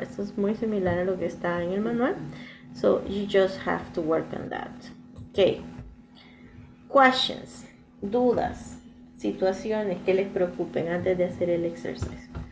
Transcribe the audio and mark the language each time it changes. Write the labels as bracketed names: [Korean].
[Spanish] Esto es muy similar a lo que está en el manual. [English] So, you just have to work on that. Okay. Questions. [Spanish] Dudas. Situaciones que les preocupen antes de hacer el exercise.